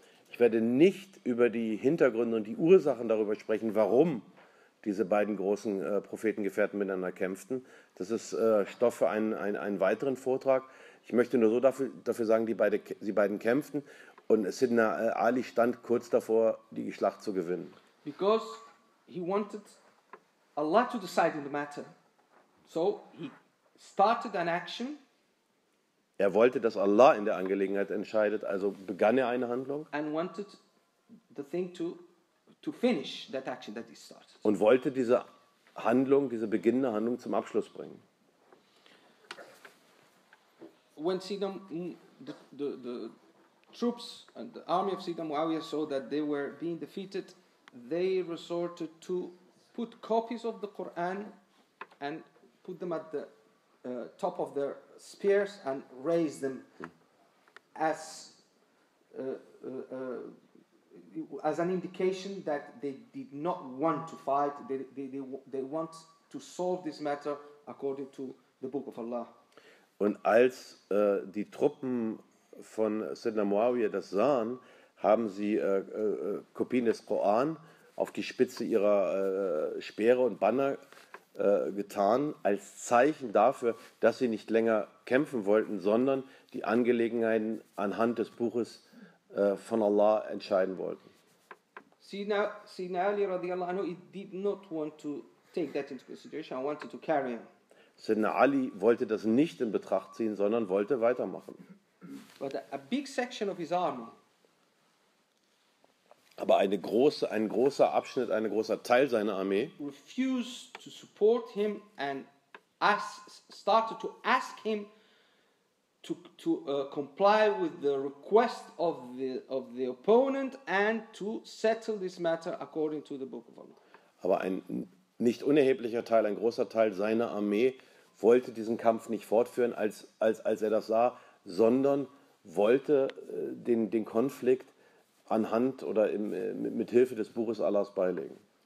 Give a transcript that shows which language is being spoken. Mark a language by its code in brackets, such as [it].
[de] Ich werde nicht über die Hintergründe und die Ursachen darüber sprechen, warum diese beiden großen Prophetengefährten miteinander kämpften. Das ist Stoff für einen weiteren Vortrag. Ich möchte nur so dafür sagen, sie beiden kämpften und Sidna Ali stand kurz davor, die Schlacht zu gewinnen. [en] Because he wanted Allah to decide in the matter. So he started an action. [de] Er wollte, dass Allah in der Angelegenheit entscheidet, also begann er eine Handlung. [en] And wanted the thing to finish that action that he started. [de] Und wollte diese Handlung, diese beginnende Handlung zum Abschluss bringen. [en] When Sidam, the troops and the army of Sidam Muawiyah saw that they were being defeated, they resorted to put copies of the Quran and put them at the top of their spears and raise them as an indication that they did not want to fight. They want to solve this matter according to the Book of Allah. [de] Und als die Truppen von Sidna Muawiyah das sahen, haben sie Kopien des Koran auf die Spitze ihrer Speere und Banner getan, als Zeichen dafür, dass sie nicht länger kämpfen wollten, sondern die Angelegenheiten anhand des Buches von Allah entscheiden wollten. [en] Sidna Ali radiallahu anhu, he did not want to take that into consideration. I wanted to carry on. [de] Sidna Ali wollte das nicht in Betracht ziehen, sondern wollte weitermachen. [en] But a big section of his army. [de] Aber ein großer Abschnitt, ein großer Teil seiner Armee [en] refused to support him and started to ask him to comply with the request of the opponent and to settle this matter according to the Book of Allah. [de] Aber ein nicht unerheblicher Teil, ein großer Teil seiner Armee wollte diesen Kampf nicht fortführen, als er das sah, sondern wollte den Konflikt anhand oder mit Hilfe des Buches Allahs beilegen.